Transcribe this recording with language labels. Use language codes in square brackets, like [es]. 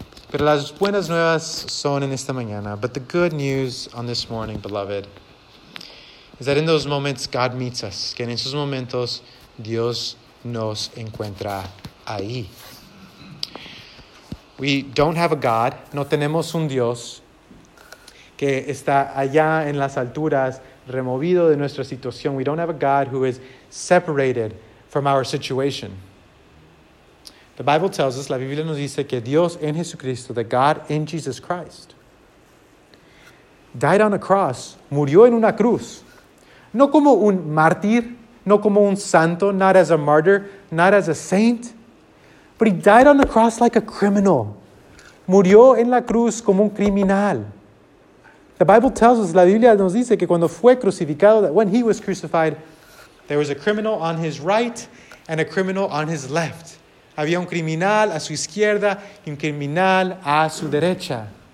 [es] Pero las buenas nuevas son en esta mañana. [en] But the good news on this morning, beloved, is that in those moments, God meets us. [es] Que en esos momentos, Dios nos encuentra ahí. [en] We don't have a God. [es] No tenemos un Dios que está allá en las alturas, removido de nuestra situación. [en] We don't have a God who is separated from our situation. The Bible tells us, [es] la Biblia nos dice que Dios en Jesucristo, [en] that God in Jesus Christ, died on a cross, [es] murió en una cruz. No como un mártir, no como un santo, [en] not as a martyr, not as a saint. But he died on the cross like a criminal. [es] Murió en la cruz como un criminal. [en] The Bible tells us, [es] la Biblia nos dice que cuando fue crucificado, [en] that when he was crucified, there was a criminal on his right and a criminal on his left. [es] Había un criminal a su izquierda y un criminal a su derecha.